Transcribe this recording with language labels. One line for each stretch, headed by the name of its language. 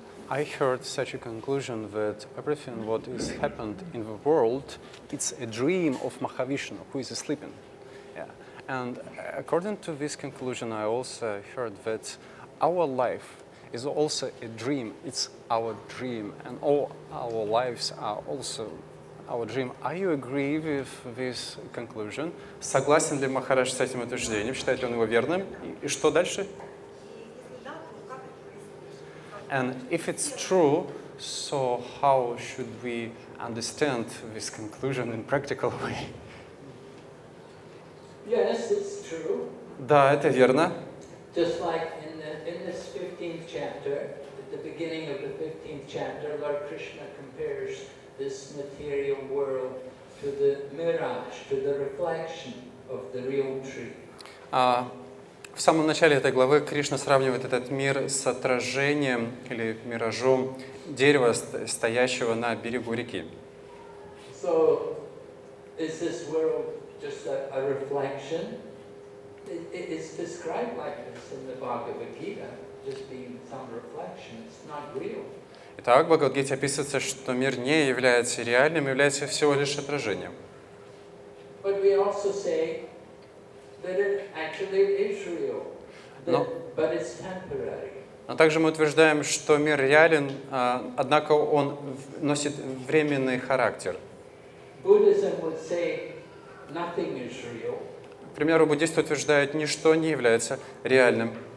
English: I heard such a conclusion that everything what is happened in the world, it's a dream of Mahavishnu, who is sleeping. Yeah. And according to this conclusion, I also heard that our life is also a dream. It's our dream, and all our lives are also our dream. Are you agree with this conclusion?
Russian: Согласен ли Махарадж с этим утверждением? Считает ли он его верным? И что дальше?
English: And if it's true, so how should we understand this conclusion in practical way? Yes, it's true.
Russian: Да, это верно.
English: Just like in this 15th chapter, at the beginning of the 15th chapter, Lord Krishna compares this material world to the mirage, to the reflection of the real tree.
Russian: В самом начале этой главы Кришна сравнивает этот мир с отражением или миражом дерева, стоящего на берегу реки.
English: So, is this world just a reflection? It is described like this in the Bhagavad Gita, just being some reflection. It's not real.
Russian: Итак, в Бхагавад-гите описывается, что мир не является реальным, является всего лишь отражением.
English: But we also say that it actually is real, but it's temporary.
Russian: Но также мы утверждаем, что мир реален, однако он носит временный характер.
English: Buddhism would say nothing is real.
Russian: К примеру, буддисты утверждают, ничто не является реальным.